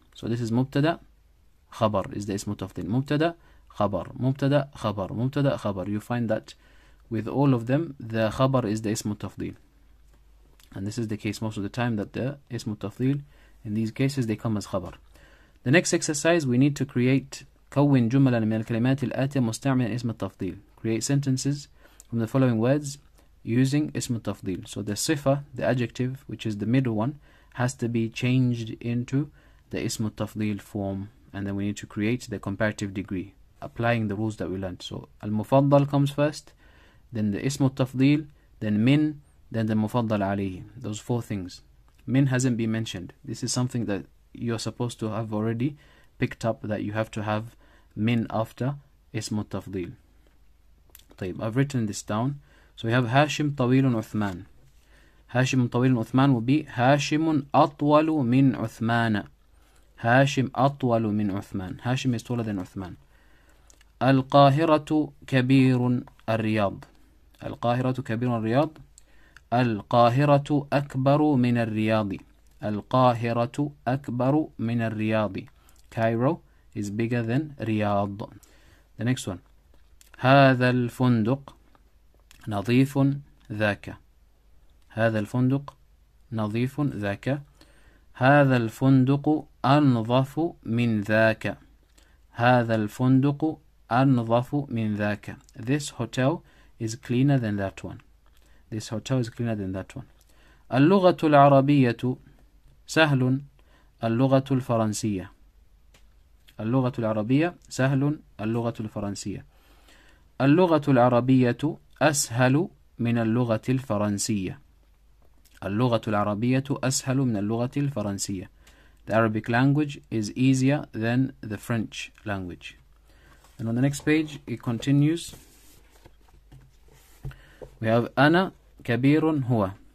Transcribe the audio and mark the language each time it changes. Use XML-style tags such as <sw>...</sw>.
<en>So this is mubtada, khabar is the ism al-tafdil. Mubtada, khabar. Mubtada, khabar. Mubtada, khabar. You find that with all of them, the khabar is the ism al-tafdil. And this is the case most of the time, that the ism al-tafdil, in these cases, they come as khabar. The next exercise, we need to create</en> <ar>كون جملا من الكلمات الآتية مستعملا اسم التفضيل.</ar> <en>Create sentences from the following words using اسم التفضيل. So the sifa, the adjective, which is the middle one, has to be changed into the اسم التفضيل form. And then we need to create the comparative degree, applying the rules that we learned. So المفضل comes first, then the اسم التفضيل, then من, then the مفضل عليه. Those four things. من hasn't been mentioned. This is something that you're supposed to have already picked up, that you have to have min after ism al-tafdil. طيب, I've written this down. So we have Hashim</en> <ar>طويل عثمان. Hashim طويل عثمان</ar> <en>will be</en> <ar>Hashim أطول من عثمان. Hashim أطول من عثمان.</ar> <en>Hashim is taller than عثمان.</en> <ar>القاهرة كبير الرياض. القاهرة كبير الرياض. القاهرة أكبر من الرياض. القاهرة أكبر من الرياض.</ar> <en>Cairo is bigger than Riyadh. The next one.</en> <ar>هذا الفندق نظيف ذاك. هذا الفندق نظيف ذاك. هذا الفندق أنظف من ذاك. هذا الفندق أنظف من ذاك.</ar> <en>This hotel is cleaner than that one. This hotel is cleaner than that one.</en> <ar>اللغة العربية سهل. اللغة الفرنسية. اللغة العربية سهل، اللغة الفرنسية. اللغة العربية أسهل من اللغة الفرنسية. اللغة العربية أسهل من اللغة الفرنسية.</ar> <en>The Arabic language is easier than the French language. And on the next page, it continues. We have</en> <ar>أنا كبير هو.</ar>